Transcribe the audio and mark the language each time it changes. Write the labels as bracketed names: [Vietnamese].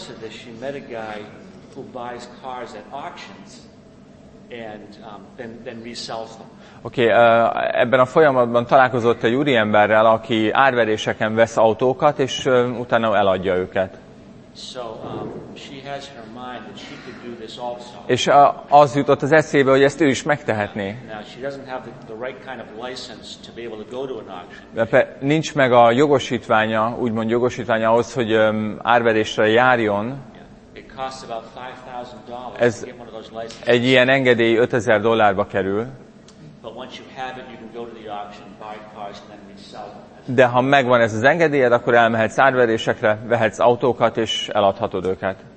[English] She met a guy who buys cars at auctions and then resells them. [Hungarian] Okay, ebben a folyamatban találkozott egy úriemberrel, aki árveréseken vesz autókat és utána eladja őket. [English] So she has her mind that she could do this also. [Hungarian] És az jutott az eszébe, hogy ezt ő is megtehetné. [English] Now, she doesn't have the right kind of license to be able to go to an auction. [Hungarian] Nincs meg a jogosítványa, úgymond jogosítványa ahhoz, hogy árverésre járjon. [English] It costs about $5,000 to get one of those licenses. [Hungarian] Egy ilyen engedély $5,000 kerül. [English] But once you have it, you can go to the auction, buy cars, and then resell them. [Hungarian] De ha megvan ez az engedélyed, akkor elmehetsz árverésekre, vehetsz autókat és eladhatod őket.